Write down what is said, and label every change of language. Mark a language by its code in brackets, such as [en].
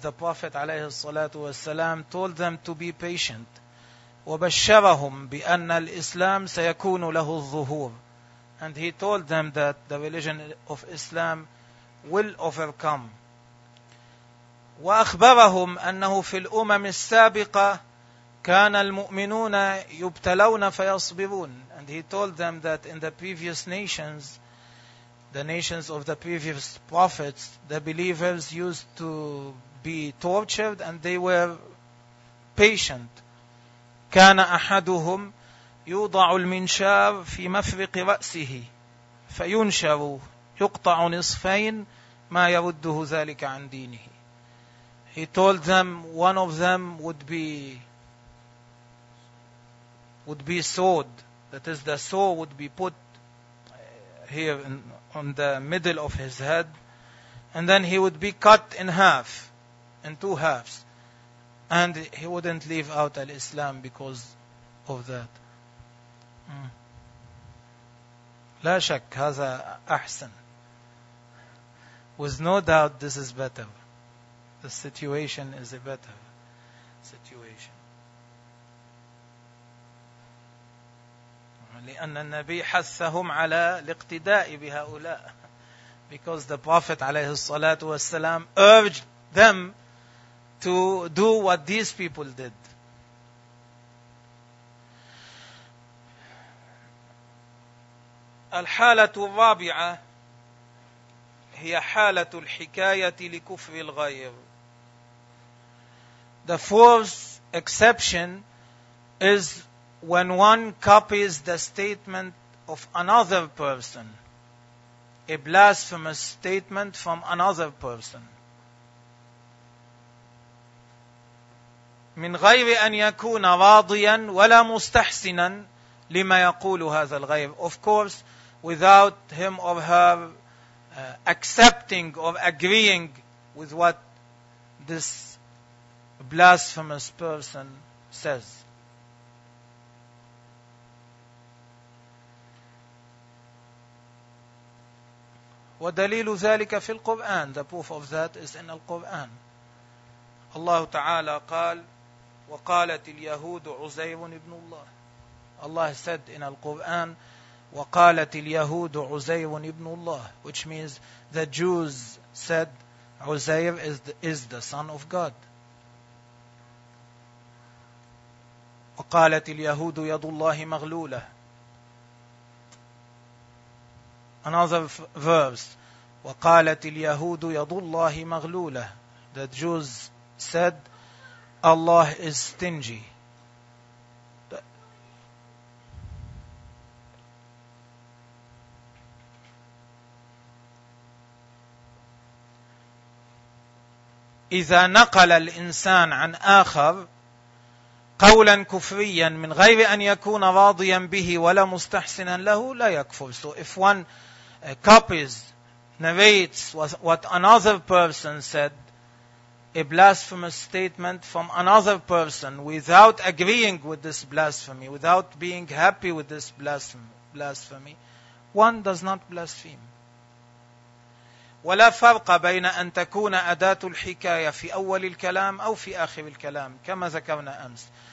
[en] The Prophet [ar] عليه الصلاة والسلام [en] told them to be patient. [ar] وبشرهم بأن الإسلام سيكون له الظهور. [en] And he told them that the religion of Islam will overcome. [ar] وأخبرهم أنه في الأمم السابقة كان المؤمنون يبتلون فيصبرون. [en] And he told them that in the previous nations, the nations of the previous prophets, the believers used to be tortured and they were patient. [ar] كان أحدهم يوضع المنشار في مفرق رأسه فينشر يقطع نصفين ما يرده ذلك عن دينه. [en] He told them one of them would be sawed. That is, the saw would be put here on the middle of his head, and then he would be cut in half, in two halves, and he wouldn't leave out al-Islam because of that. [ar] لا شك هذا أحسن. [en] With no doubt, this is better. The situation is a better situation. [ar] لأن النبي حثهم على الاقتداء بهؤلاء. [en] Because the Prophet [ar] عليه الصلاة والسلام [en] urged them to do what these people did. [ar] الحالة الرابعة هي حالة الحكاية لكفر الغير. [en] The fourth exception is when one copies the statement of another person, a blasphemous statement from another person. [ar] من غير أن يكون راضيا ولا مستحسنا لما يقول هذا الغير. [en] Of course, without him or her accepting or agreeing with what this blasphemous person says. [ar] ودليل ذلك في القرآن. [en] The proof of that is in القرآن. [ar] الله تعالى قال وقالت اليهود عزير ابن الله. [en] Allah said in القرآن [ar] وقالت اليهود عزير ابن الله, [en] which means the Jews said عزير is the son of God. [ar] وقالت اليهود يد الله مغلولة. [en] Another verse. [ar] وقالت اليهود يد الله مغلولة. [en] The Jews said, Allah is stingy. [ar] إذا نقل الإنسان عن آخر قولا كفريا من غير أن يكون راضيا به ولا مستحسنا له لا يكفر. [en] So if one copies, narrates what another person said, a blasphemous statement from another person, without agreeing with this blasphemy, without being happy with this blasphemy, One does not blaspheme. [ar] ولا فرق بين أن تكون أداة الحكاية في أول الكلام أو في آخر الكلام كما ذكرنا أمس.